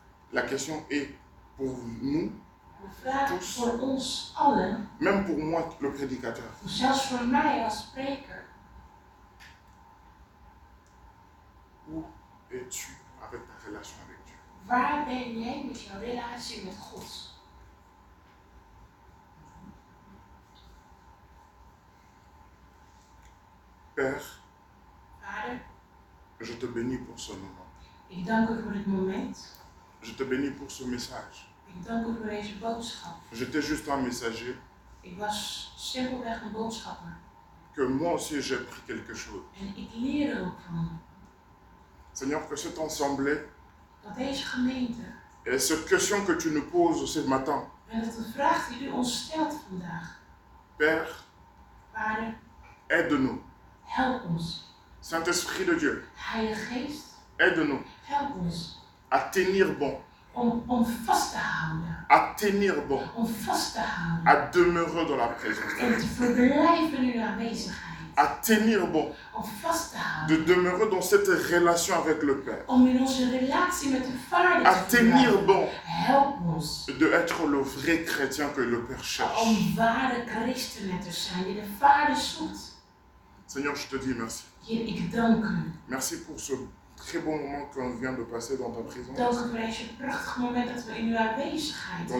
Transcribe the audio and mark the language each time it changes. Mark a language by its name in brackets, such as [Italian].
[French] La question est pour nous. [Dutch] vraag [French] tous, [Dutch] voor ons allen, [French] même pour moi, le prédicateur, [Dutch] zelfs voor mij als spreker, [French] où es-tu avec ta relation avec Dieu? [Dutch] Waar ben jij met jouw relatie met God? [French] Père, [Dutch] Vader, [French] je te bénis pour ce moment. [Dutch] Ik dank u voor dit moment. [French] Je te bénis pour ce message. [Dutch] Ik dank u voor deze boodschap. [French] J'étais juste un messager. [Dutch] Ik was simpelweg een boodschapper. [French] Que moi aussi j'ai pris quelque chose. [Dutch] En ik leer er ook van. [French] Seigneur, que cet ensemble, [Dutch] dat deze gemeente, [French] et cette question que tu nous poses ce matin, [Dutch] en dat de vraag die u ons stelt vandaag, [French] Père, [Dutch] Vader, [French] aide-nous. [Dutch] Help ons. [French] Saint-Esprit de Dieu, [Dutch] Heilige Geest, [French] aide-nous. [Dutch] Help ons. [French] À tenir bon. [Dutch] Om vast te houden. [French] À tenir bon. [Dutch] Om vast te houden. [French] À demeurer dans la présence. [Dutch] En te verblijven in uw aanwezigheid. [French] À tenir bon. [Dutch] Om vast te houden. [French] De demeurer dans cette relation avec le Père. [Dutch] Om in onze relatie met de Vader te [French] à tenir bon. [Dutch] Help ons. [French] De être le vrai chrétien que le Père cherche. [Dutch] Om ware christenen te zijn die de Vader zoekt. [French] Seigneur, je te dis merci. [Dutch] Heer, ik dank u. [French] Merci pour ce très bon moment qu'on vient de passer dans ta présence. [Dutch] Dank u voor deze prachtig moment dat we in uw aanwezigheid hebben.